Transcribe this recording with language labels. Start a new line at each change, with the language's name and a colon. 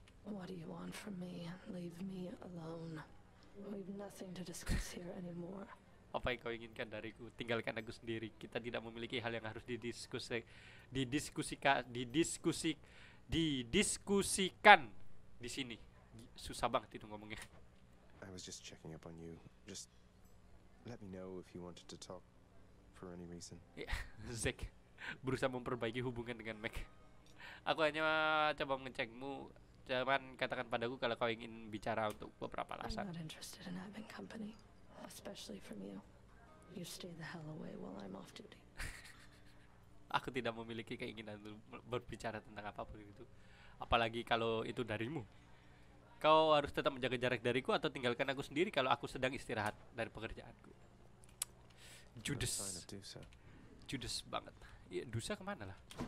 English: What do you want from me? Leave me alone. We've nothing to discuss here anymore.
Indonesian: Apa yang kau inginkan dariku? Tinggalkan aku sendiri. Kita tidak memiliki hal yang harus didiskusikan di sini. Susah banget itu ngomongnya.
English: I was just checking up on you. Just let me know if you wanted to talk for any reason.
Indonesian: Yeah, Zeke berusaha memperbaiki hubungan dengan Mac. Aku hanya coba mengecekmu. Cuman katakan padaku kalau kau ingin bicara untuk beberapa alasan.
English: I'm not interested in having company. Especially from you. You stay the hell away while I'm off duty.
Indonesian: Aku tidak memiliki keinginan untuk berbicara tentang apapun itu, apalagi kalau itu darimu. Kau harus tetap menjaga jarak dariku atau tinggalkan aku sendiri kalau aku sedang istirahat dari pekerjaanku. Judas. Judas banget. Ya, Dusa kemana lah?